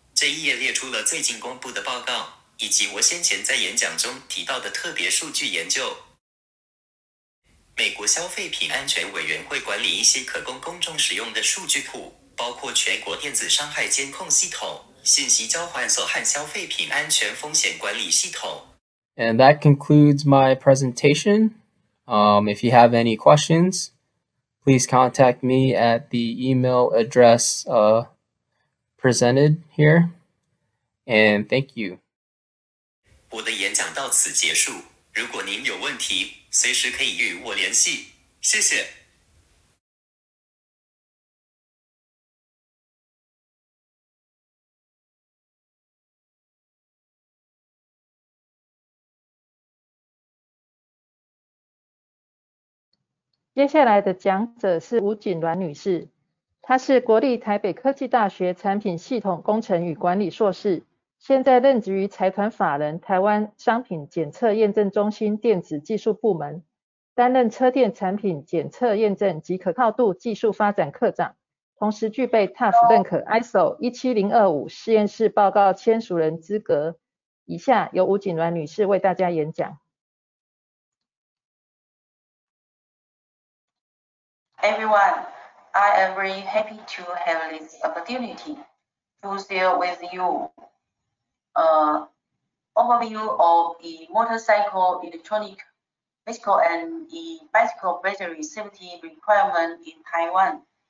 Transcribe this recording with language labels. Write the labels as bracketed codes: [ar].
[zh] 这一页列出了最近公布的报告，以及我先前在演讲中提到的特别数据研究。美国消费品安全委员会管理一些可供公众使用的数据库，包括全国电子伤害监控系统、信息交换所和消费品安全风险管理系统。 [en] And that concludes my presentation. If you have any questions, please contact me at the email address presented here. And thank you. [zh] 我的演讲到此结束。如果您有问题，随时可以与我联系，谢谢。接下来的讲者是吴景鸾女士，她是国立台北科技大学产品系统工程与管理硕士，现在任职于财团法人台湾商品检测验证中心电子技术部门，担任车电产品检测验证及可靠度技术发展课长，同时具备 TUF 认可 ISO 17025实验室报告签署人资格。以下由吴景鸾女士为大家演讲。 [en] Everyone, I am very happy to have this opportunity to share with you overview of the motorcycle electronic vehicle and the bicycle battery safety requirement in Taiwan.